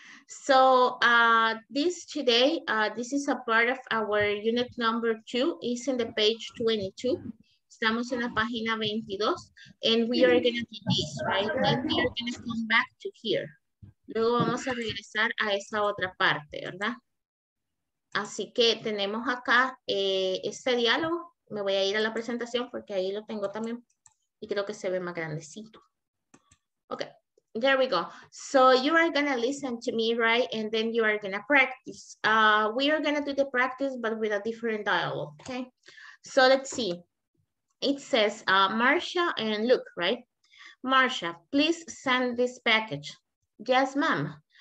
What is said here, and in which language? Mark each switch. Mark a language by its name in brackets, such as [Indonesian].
[English] So this is a part of our unit number 2. It's in the page 22. [Spanish] Estamos en la página 22. [English] And we are going to do this, right? And we are going to come back to here. [Spanish] Luego vamos a regresar a esa otra parte, ¿verdad? Así que tenemos acá este diálogo. Me voy a ir a la presentación porque ahí lo tengo también y creo que se ve más grandecito. [English] Okay, there we go. So you are gonna listen to me, right? And then you are gonna practice. We are gonna do the practice, but with a different dialogue, okay? So let's see. It says, Marcia and Luke, right? Marcia, please send this package. Yes, ma'am.